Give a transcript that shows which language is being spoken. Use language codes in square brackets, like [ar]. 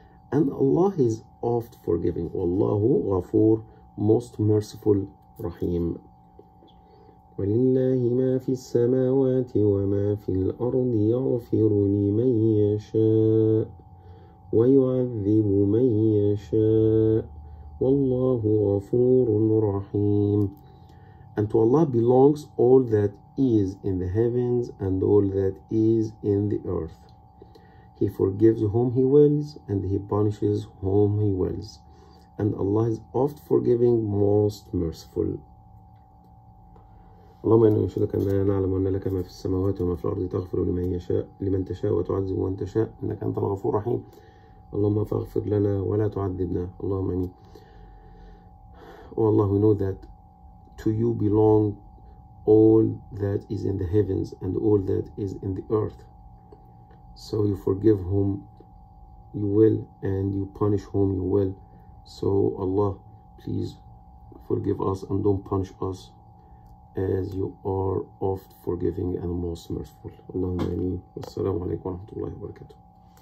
[en] And Allah is oft forgiving, [ar] والله غفور [en] most merciful [ar] رحيم. ولله ما في السماوات وما في الأرض يغفر لمن يشاء ويعذب من يشاء والله غفور رحيم. [en] And to Allah belongs all that is in the heavens and all that is in the earth. He forgives whom he wills and he punishes whom he wills. And Allah is oft forgiving, most merciful. [ar] اللهم إنا نشهدك أننا نعلم أن لك ما في السماوات وما في الأرض تغفر لمن يشاء لمن تشاء وتعذب من تشاء إنك أنت الغفور الرحيم. اللهم فاغفر لنا ولا تعذبنا. اللهم آمين. [en] Oh Allah, we know that to you belong all that is in the heavens and all that is in the earth. So you forgive whom you will and you punish whom you will. So Allah, please forgive us and don't punish us, as you are oft forgiving and most merciful. Allahumma ameen. Wassalamu alaikum warahmatullahi wabarakatuh.